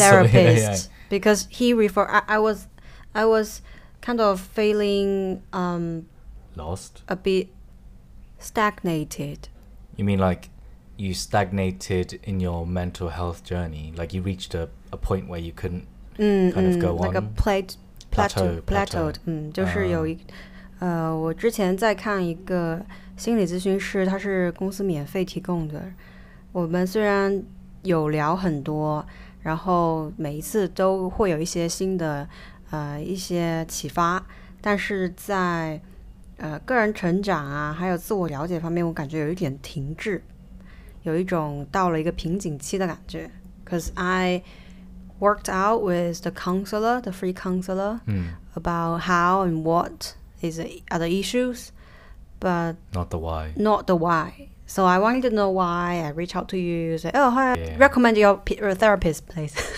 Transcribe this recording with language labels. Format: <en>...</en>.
<en>therapist. Yeah, yeah. Because he referred... I was kind of feeling... lost? A bit stagnated. You mean like... You stagnated in your mental health journey, like you reached a point where you couldn't kind of go like on. Like a plateaued.</en> <zh>就是有一我之前在看一个心理咨询师，他是公司免费提供的。我们虽然有聊很多，然后每一次都会有一些新的一些启发，但是在个人成长啊，还有自我了解方面，我感觉有一点停滞。有一种到了一个瓶颈期的感觉。</zh> <en>Because I worked out with the counselor, the free counselor, about how and what is are the issues, but not the why. So I wanted to know why. I reach out to you, say, oh, hi, recommend your therapist, please.</en>